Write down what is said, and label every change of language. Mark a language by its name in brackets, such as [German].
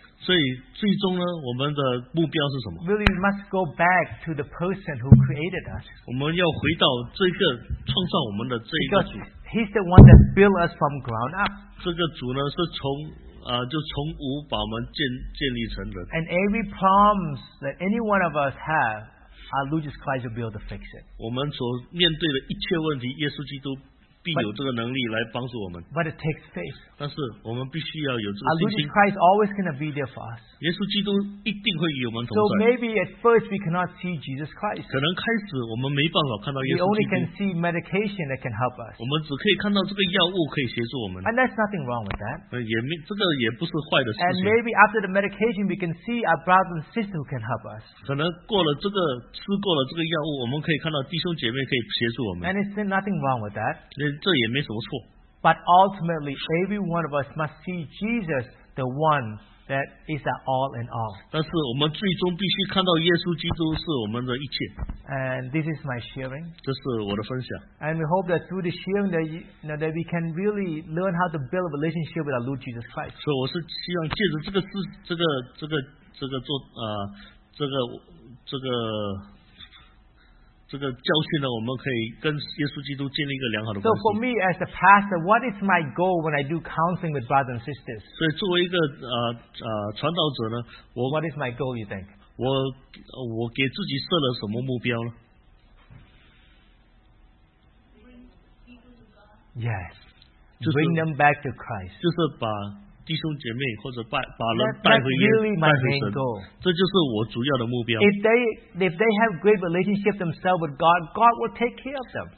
[Chinese] 所以最终呢，我们的目标是什么？ [English] Really, we must go back to the person who created us. [Chinese] 我们要回到这个创造我们的这一个主。 [English] He's the one that built us from ground up. [Chinese] 这个主呢，是从 就从无把我们建立成人。 [English] And every problems that any one of us have, our Lord Jesus Christ will be able to fix it. [Chinese] 我们所面对的一切问题, 耶稣基督必有这个能力来帮助我们。 [English] But it takes faith. [Chinese] 但是我们必须要有这个信心。 [English] Our Lord Jesus Christ is always going to be there for us. [Chinese] 耶稣基督一定会与我们同在。 [English] So maybe at first we cannot see Jesus Christ. [Chinese] 可能开始我们没办法看到耶稣基督。 [English] We only can see medication that can help us. [Chinese] 我们只可以看到这个药物可以协助我们。 [English] And there's nothing wrong with that. [Chinese] 这个也不是坏的事情。 [English] And maybe after the medication we can see our brother and sister who can help us. [Chinese] 可能过了这个, 吃过了这个药物, 我们可以看到弟兄姐妹可以协助我们。 [English] And there's nothing wrong with that. [Chinese] 这也没什么错。 [English] But ultimately, every one of us must see Jesus, the one that is our all in all. [Chinese] 但是我们最终必须看到耶稣基督是我们的一切。 [English] And this is my sharing. [Chinese] 这是我的分享。 [English] And we hope that through the sharing that, that we can really learn how to build a relationship with our Lord Jesus Christ. [Chinese] 所以我是希望借着这个教训呢，我们可以跟耶稣基督建立一个良好的关系。 [English] So for me as the pastor, what is my goal when I do counseling with brothers and sisters? [Chinese] 所以作为一个传道者呢，我 [English] What is my goal, you think? [Chinese] 我给自己设了什么目标呢？ [English] Yes, bring them back to Christ. [Chinese] 就是把弟兄姐妹或者把人带回神，这就是我主要的目标。 [English] If they have great relationship themselves with God, God will take care of them.